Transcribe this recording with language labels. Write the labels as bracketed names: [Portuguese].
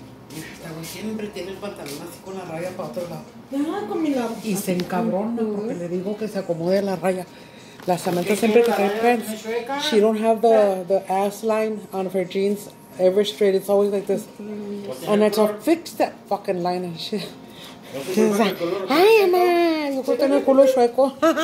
[Spanish] Mira, esta güey siempre tiene el pantalón así con la raya para otro lado. Deja de comer la... Y se encabrona porque le digo que se acomode la raya. La Samantha siempre que trae pants. [English] She don't have the ass line on her jeans. Ever straight, it's always like this. And I told her, fix that fucking line and shit. She's like, [Spanish] ay, mamá, yo creo que tengo el culo chueco.